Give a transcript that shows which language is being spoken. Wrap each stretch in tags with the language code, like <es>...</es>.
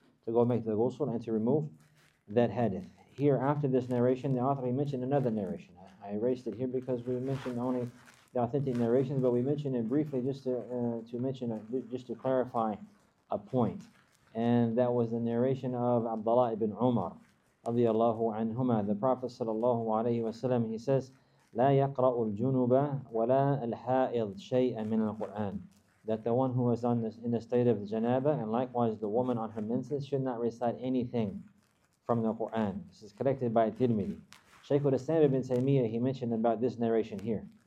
<en>to go make the ghusl and to remove that hadith. Here, after this narration, the author, he mentioned another narration. I erased it here because we mentioned only the authentic narrations, but we mentioned it briefly just to clarify a point. And that was the narration of Abdullah ibn Umar, رضي الله عنهما.</en> <ar>The Prophet صلى الله عليه وسلم,</ar> <en>he says,</en> <ar>لا يقرأ الجنوب ولا الحائض شيئا من القرآن.</ar> <en>That the one who is in the state of the janaba, and likewise the woman on her menses, should not recite anything from the Quran. This is collected by Tirmidhi. Shaykh al-Islam ibn Taymiyyah, he mentioned about this narration here.</en>